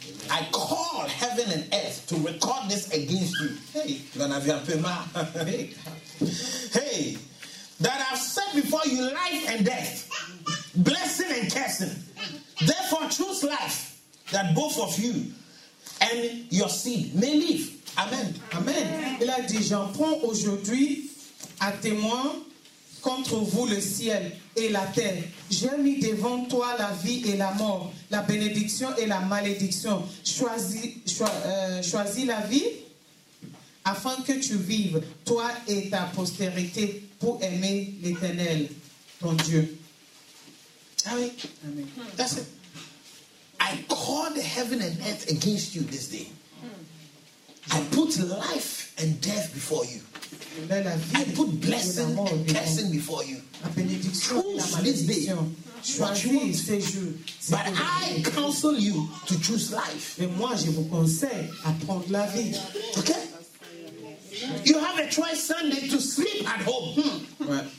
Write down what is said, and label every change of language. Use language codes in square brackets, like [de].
[en] I call heaven and earth to record this against you. Hey, [fr] vous en avez un peu marre. [en] Hey, that I've set before you life and death, blessing and cursing. Therefore, choose life that both of you and your seed may live. Amen. [fr] Amen. Il a dit, j'en prends aujourd'hui à témoin contre vous le ciel et la terre. J'ai mis devant toi la vie et la mort, la bénédiction et la malédiction. Choisis la vie afin que tu vives, toi et ta postérité, pour aimer l'Éternel, ton Dieu. Ah oui. Amen. [en] That's it. I called heaven and earth against you this day. I put life and death before you. I put blessing and cursing before you. Choose this day what you want. But I counsel you to choose life. [fr] Mais moi, je vous conseille à prendre la vie. [en] Okay? You have a choice Sunday to sleep at home.